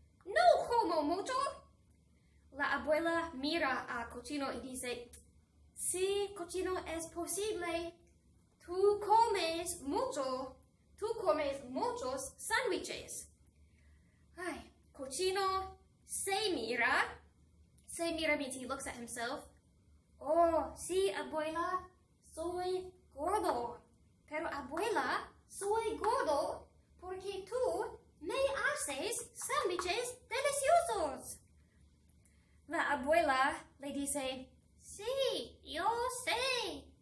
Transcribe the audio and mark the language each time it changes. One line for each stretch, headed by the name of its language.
Spanish: ¡No como mucho! La abuela mira a cochino y dice, sí, cochino, es posible. Tú comes mucho, tú comes muchos sándwiches. Ay, cochino se mira. Se mira
English: means he looks at himself.
Spanish: Oh, sí, abuela, soy gordo. Pero abuela, soy gordo porque tú me haces sándwiches deliciosos. La abuela le dice, sí, yo sé.